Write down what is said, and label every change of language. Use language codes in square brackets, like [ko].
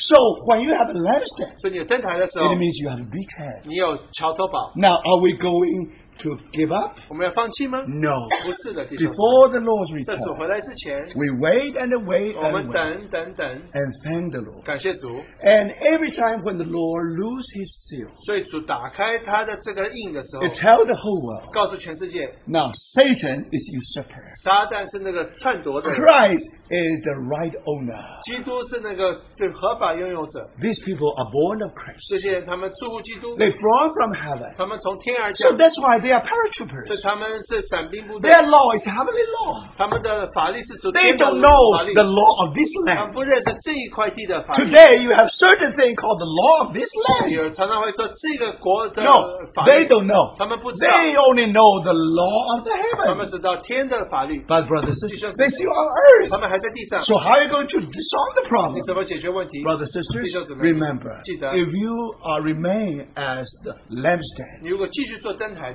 [en] So when you have a lampstand, it means you have a beachhead. Now are we going to give up? No. Before the Lord's return, we wait and wait and wait and thank the Lord. [zh] 感谢主, [en] and every time when the Lord loses his seal, [zh] 所以主打开他的这个印的时候, [en] it tells the whole world, [zh] 告诉全世界, [en] now Satan is usurper. [zh] 撒旦是那个篡夺的人, [en] Christ is the right owner. [zh] 基督是那个合法拥有者, [en] these people are born of Christ. [zh] 这些人他们住乎基督, [en] they fall from heaven. [zh] 他们从天而降, [en] so that's why they are paratroopers. [zh] 所以他们是闪兵部队, [en] their law is heavenly law. [zh] 他们的法律是属天的, [en] they don't know the law of this land. [zh] 他们不认识这一块地的法律, [en] today you have certain thing called the law of this land. [zh] 有常常会说这个国的法律, [en] no, they don't know. [zh] 他们不知道, [en] they only know the law of the heaven. [zh] 他们知道天的法律, [en] but brothers and sisters, they still are on earth. [zh] 他们还在地上, [en] so how are you going to solve the problem? [zh] 你怎么解决问题? [en] Brothers and sisters, [zh] 弟兄姊妹, [en] remember, [zh] 记得, [en] if you are remain as the lampstand, [zh] 你如果继续做灯台,